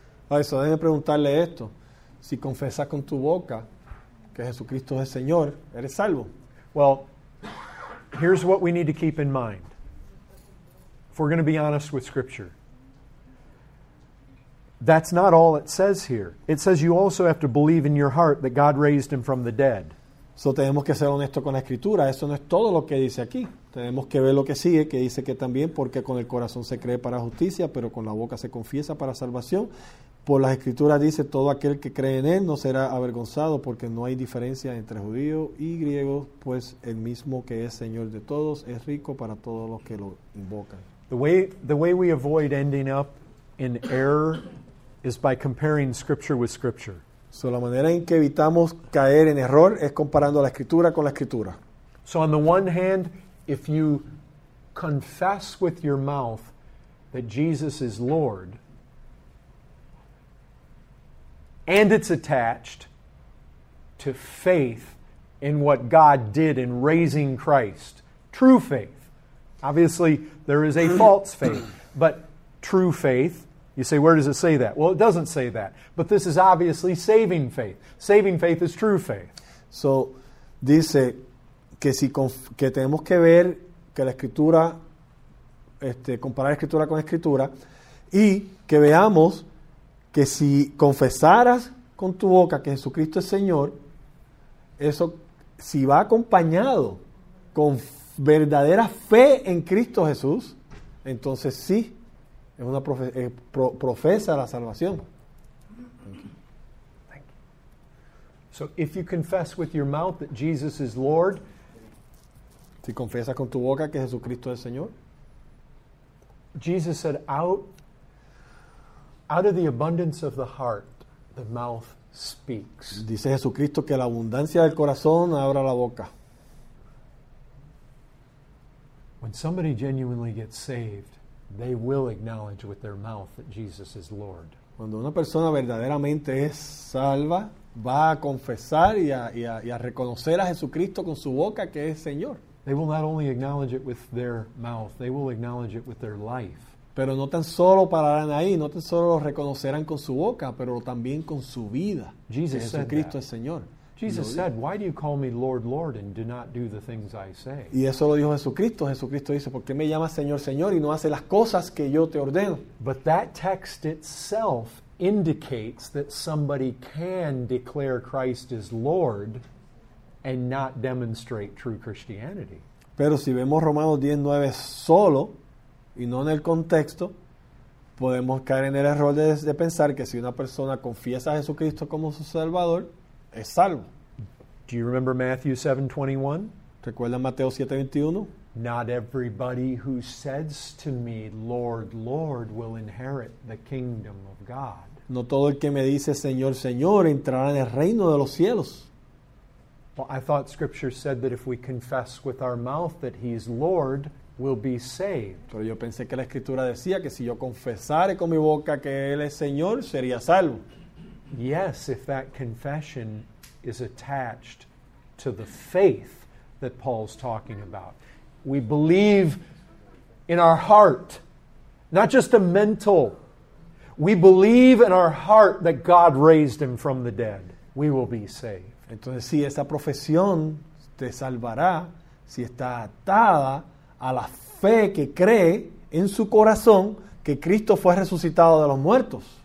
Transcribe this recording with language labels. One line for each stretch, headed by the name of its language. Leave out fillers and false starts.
Spanish: Eso, déjame preguntarle esto. Si confesas con tu boca que Jesucristo es Señor, eres salvo.
English: Well, here's what we need to keep in mind. If we're going to be honest with Scripture. That's not all it says here. It says you also have to believe in your heart that God raised him from the dead.
Spanish: So tenemos que ser honestos con la Escritura. Eso no es todo lo que dice aquí. Tenemos que ver lo que sigue, que dice que también porque con el corazón se cree para justicia, pero con la boca se confiesa para salvación. Por la Escritura dice, todo aquel que cree en él no será avergonzado porque no hay diferencia entre judío y griego, pues el mismo que es Señor de todos es rico para todos los que lo invocan.
English: The way we avoid ending up in error is by comparing Scripture with Scripture.
Spanish: So la manera en que evitamos caer en error es comparando la Escritura con la Escritura.
English: So on the one hand, if you confess with your mouth that Jesus is Lord, and it's attached to faith in what God did in raising Christ, true faith. Obviously, there is a false faith, but true faith. You say, where does it say that? Well, it doesn't say that. But this is obviously saving faith. Saving faith is true faith.
Spanish: So, dice que si que tenemos que ver que la Escritura, comparar Escritura con Escritura, y que veamos que si confesaras con tu boca que Jesucristo es Señor, eso, si va acompañado con verdadera fe en Cristo Jesús, entonces sí, es una profesa la salvación.
English: So if you confess with your mouth that Jesus is Lord,
Spanish: si confiesas con tu boca que Jesucristo es Señor,
English: Jesus said, out of the abundance of the heart, the mouth speaks.
Spanish: Dice Jesucristo que la abundancia del corazón abra la boca.
English: When somebody genuinely gets saved, they will acknowledge with their mouth that Jesus is Lord.
Spanish: Cuando una persona verdaderamente es salva, va a confesar y a reconocer a Jesucristo con su boca que es Señor.
English: They will not only acknowledge it with their mouth, they will acknowledge it with their life.
Spanish: Pero no tan solo pararán ahí, no tan solo lo reconocerán con su boca, pero también con su vida.
English: Jesus said,
Spanish: Jesucristo es Señor.
English: Jesus said, why do you call me Lord, Lord, and do not do the things I say?
Spanish: Y eso lo dijo Jesucristo. Jesucristo dice, ¿por qué me llamas Señor, Señor, y no haces las cosas que yo te ordeno?
English: But that text itself indicates that somebody can declare Christ as Lord and not demonstrate true Christianity.
Spanish: Pero si vemos Romanos 10:9 solo y no en el contexto, podemos caer en el error de pensar que si una persona confiesa a Jesucristo como su Salvador, es salvo.
English: Do you remember Matthew 7:21?
Spanish: ¿Recuerdan Mateo 7:21?
English: Not everybody who says to me, Lord, Lord, will inherit the kingdom of God.
Spanish: No todo el que me dice Señor, Señor entrará en el reino de los cielos.
English: Well, I thought Scripture said that if we confess with our mouth that he is Lord, we'll be saved.
Spanish: Pero yo pensé que la Escritura decía que si yo confesare con mi boca que él es Señor, sería salvo.
English: Yes, if that confession is attached to the faith that Paul's talking about. We believe in our heart, not just a mental. We believe in our heart that God raised him from the dead. We will be saved.
Spanish: Entonces, si esa profesión te salvará, si está atada a la fe que cree en su corazón que Cristo fue resucitado de los muertos.